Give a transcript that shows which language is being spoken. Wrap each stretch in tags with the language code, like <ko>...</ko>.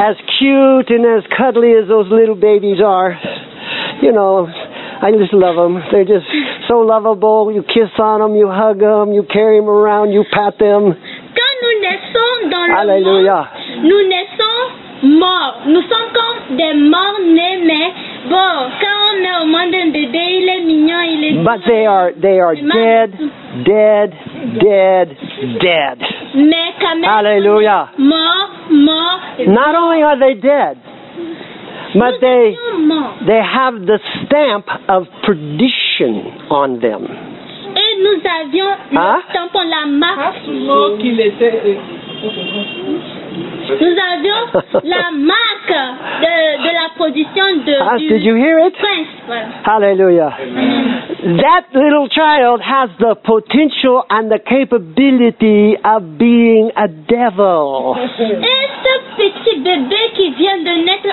<en>As cute and as cuddly as those little babies are, you know, I just love them. They're just so lovable. You kiss on them, you hug them, you carry them around, you pat them.</en> <fr>Quand nous naissons dans le</fr> <en>Hallelujah.</en> <fr>Monde, nous naissons morts. Nous sommes comme des morts nés, mais bon, quand on est au monde d'un bébé, il est mignon, il est...</fr> <en>But they are dead, dead, dead, dead.</en> <fr>Mais quand même,</fr> <en>Hallelujah.</en> <fr>Mort.</fr> <en>Not only are they dead, but they have the stamp of perdition on them.</en> <fr>Et nous avions le stamp, la marque. Nous avions la marque de la position de</fr> <en>prince. Did you hear it? Hallelujah. Amen. That little child has the potential and the capability of being a devil.</en> <fr>Et ce petit bébé qui vient de naître</fr>